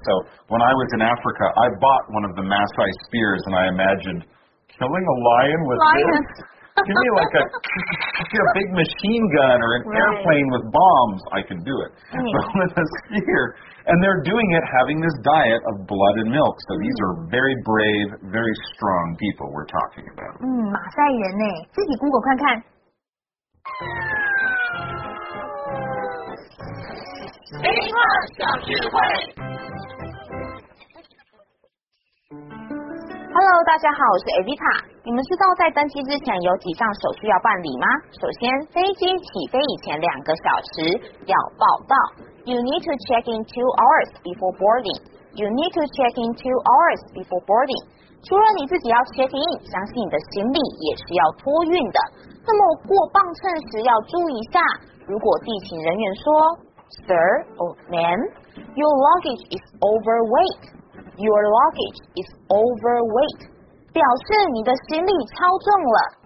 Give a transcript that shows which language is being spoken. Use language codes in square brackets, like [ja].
[en] So when I was in Africa, I bought one of the Maasai spears and I imagined killing a lion with this. Give me like a big machine gun or an、 right. airplane with bombs. I can do it. But with a spear. And they're doing it having this diet of blood and milk. So these are very brave, very strong people we're talking about. [zh] 马赛人耶，自己 Google 看看。家好，我是 Evita。你们知道在登机之前有几项手续要办理吗？首先，飞机起飞以前两个小时要报到。 [en] You need to check in 2 hours before boarding. You need to check in 2 hours before boarding. [zh] 除了你自己要 check in， 相信你的行李也是要托运的。那么过磅秤时要注意一下，如果地勤人员说 [en] Sir or ma'am, your luggage is overweight. Your luggage is overweight， [zh] 表示你的行李超重了。